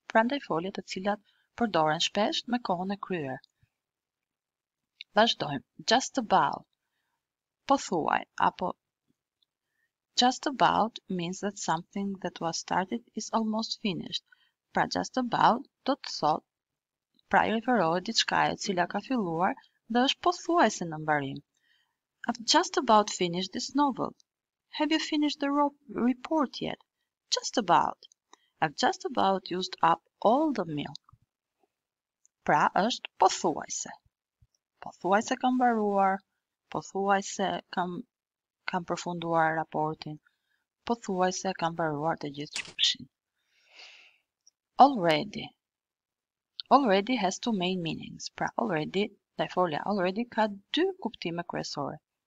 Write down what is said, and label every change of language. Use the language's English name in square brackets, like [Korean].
[Albanian] Prandaj folje të cilat përdoren shpesh me kohën e kryer. [English] Vazhdojmë. Just about. [Albanian] Pothuaj apo [English] just about means that something that was started is almost finished. [Albanian] Pra just about do të thot pra I referohet diçka e cila ka filluar dhe është pothuajse në mbarim. [English] I've just about finished this novel. Have you finished the report yet? Just about. I've just about used up all the milk. [Albanian] Pra është pothuajse. Pothuajse kam mbaruar, pothuajse kam përfunduar raportin, pothuajse kam mbaruar të gjithë qumshin. Already. [English] Already has two main meanings. [Albanian] Pra already, dhe folja, already ka dy kuptime kryesore.